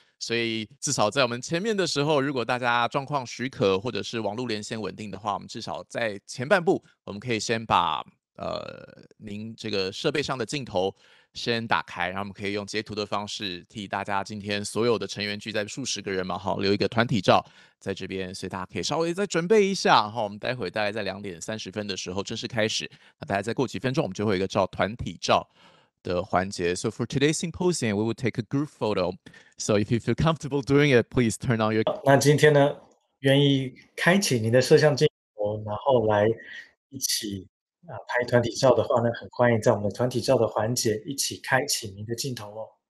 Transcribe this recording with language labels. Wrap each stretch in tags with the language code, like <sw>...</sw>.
<zh>所以至少在我们前面的时候，如果大家状况许可，或者是网络连线稳定的话，我们至少在前半部，我们可以先把您这个设备上的镜头先打开，然后我们可以用截图的方式替大家今天所有的成员聚在数10个人嘛，好，留一个团体照在这边，所以大家可以稍微再准备一下哈。我们待会大概在2:30的时候正式开始，那大概再过几分钟，我们就会有一个照团体照的环节。</zh> <en>So for today's symposium, we will take a group photo. So if you feel comfortable doing it, please turn on your</en> <zh>那今天呢，愿意开启您的摄像镜头，然后来一起拍团体照的话呢，很欢迎在我们的团体照的环节一起开启您的镜头哦。</zh>